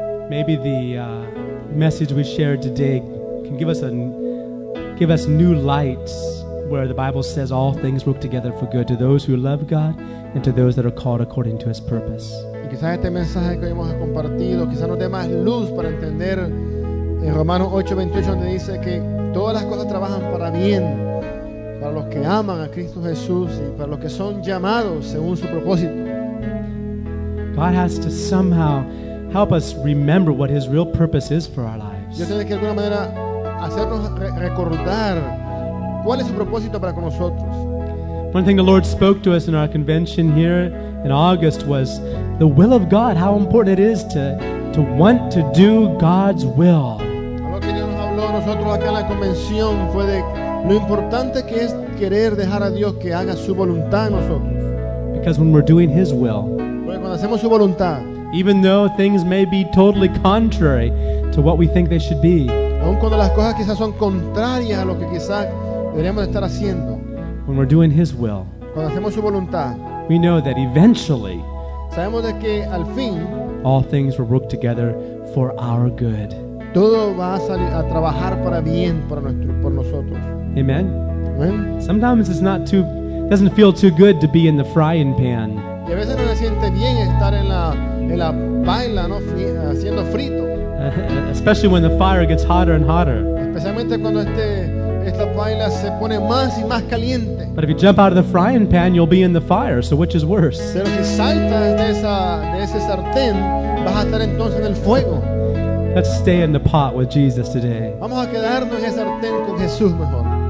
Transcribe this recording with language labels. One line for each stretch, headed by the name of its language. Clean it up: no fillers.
English: Message we shared today can give us new lights where the Bible says all things work together for good to those who love God and to those that are called according to His purpose.
Spanish: Y quizás este mensaje que hemos compartido quizás nos dé más luz para entender en Romanos 8:28 donde dice que todas las cosas trabajan para bien para los que aman a Cristo Jesús y para los que son llamados según su propósito.
English: God has to somehow help us remember what His real purpose is for our lives.
Spanish: Dios tiene que de alguna manera hacernos recordar cuál es su propósito para con nosotros.
English: One thing the Lord spoke to us in our convention here in August was the will of God, how important it is to want to do God's will.
Spanish: Lo que Dios nos habló a nosotros acá en la convención fue de lo importante que es querer dejar a Dios que haga su voluntad en nosotros.
English: Because when we're doing His will,
Spanish: porque cuando hacemos su voluntad,
English: even though things may be totally contrary to what we think they should be,
Spanish: aun cuando las cosas quizás son contrarias a lo que quizás deberíamos estar haciendo,
English: when we're doing His will,
Spanish: cuando hacemos su voluntad,
English: we know that eventually,
Spanish: sabemos de que al fin,
English: all things will work together for our good.
Spanish: Todo va a salir a trabajar para bien para nuestro, por nosotros.
English: Amen.
Spanish: Amen.
English: Sometimes it's not too, doesn't feel too good to be in the frying pan.
Spanish: Y a veces no se siente bien estar en la paila, ¿no? Haciendo frito.
English: Especially when the fire gets hotter and hotter.
Spanish: Especialmente cuando esta paila se pone más y más caliente.
English: But if you jump out of the frying pan, you'll be in the fire. So which is worse?
Spanish: Pero si saltas de ese sartén, vas a estar entonces en el fuego.
English: Let's stay in the pot with Jesus today.
Spanish: Vamos a quedarnos en ese sartén con Jesús mejor.